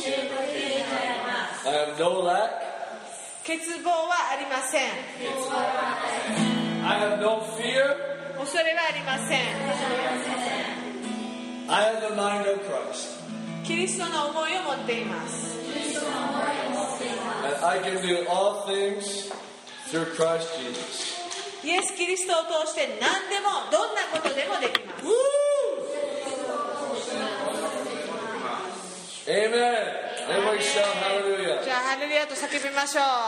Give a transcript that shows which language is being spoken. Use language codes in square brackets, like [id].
[en] I have no lack. [ja] 欠乏はありません。 [en] I have no fear. [ja] 恐れはありません。 [en] I have the mind of Christ. [ja] キリストの思いを持っています。 [en] And I can do all things through Christ Jesus. [ja] イエス・キリストを通して何でも、どんなことでもできます。 [en] Amen. Everybody shout hallelujah. [ja] じゃあ、ハレルヤと叫びましょう。